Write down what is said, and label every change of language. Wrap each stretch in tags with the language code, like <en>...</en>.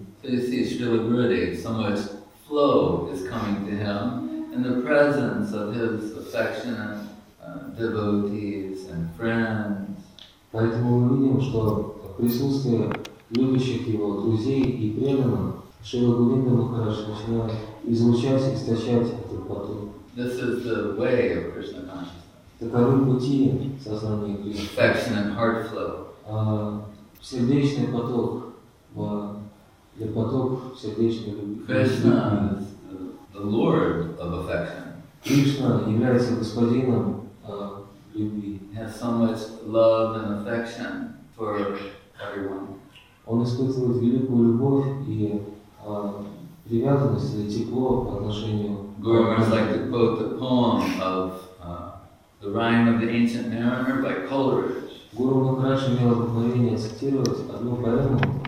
<en>So you see, Srila Gurudev, so much flow is coming to him in the presence of his affection, devotees and friends.</en> <ru>Поэтому мы видим, что присутствие любящих его друзей и преданных Шрила Гурудева Махараджа начинает излучать и источать этот поток.</ru> <en>This is the way of Krishna consciousness.</en> <ru>Таковы пути сознания Кришны.</ru> <en>Affection and heart flow.</en> <ru>Сердечный поток в для поток сердечной любви.</ru> <en>Krishna is the Lord of affection.</en> <ru>Кришна является господином любви.</ru> <en>He has so much love and affection for everyone.</en> <ru>Он испытывает великую любовь и привязанность или тепло по отношению.</ru> <en>Guru Maharaj liked to quote the poem of the rhyme of the ancient mariner by Coleridge.</en> <ru>Guru Maharaj имел обыкновение цитировать одну поэму.</ru>